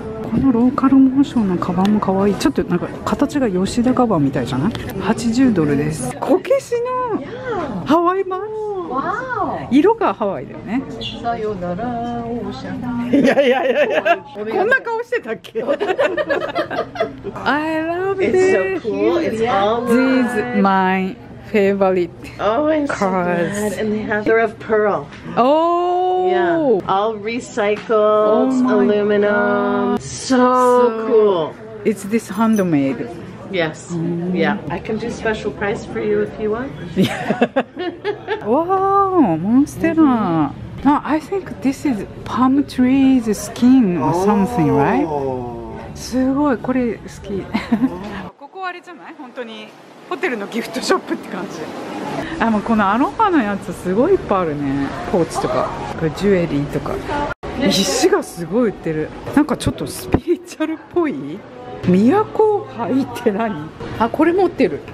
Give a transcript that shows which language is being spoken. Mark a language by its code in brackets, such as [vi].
[ja] このローカルモーションのカバンも可愛い。ちょっとなんか形が吉田カバンみたいじゃない。 80ドルです。こけしのハワイ版。色がハワイだよね。さよならオーシャン。いやこんな顔してたっけ。 [en] I love this. It's so cool. It's all mine. This is my favorite cards. Oh, and they have they're of pearl. Oh. Yeah. All recycled aluminum. So cool. It's this handmade. Yes. Yeah. I can do special price for you if you want. Wow, Monstera. Mm-hmm. No, I think this is palm tree's skin or something, right? [ja] すごい、これ好き。ここあれじゃない？本当にホテルのギフトショップって感じ。あ、もうこのアロハのやつすごいいっぱいあるね。ポーチとか、ジュエリーとか。石がすごい売ってる。なんかちょっとスピリチュアルっぽい。都杯って何？あ、これ持ってる。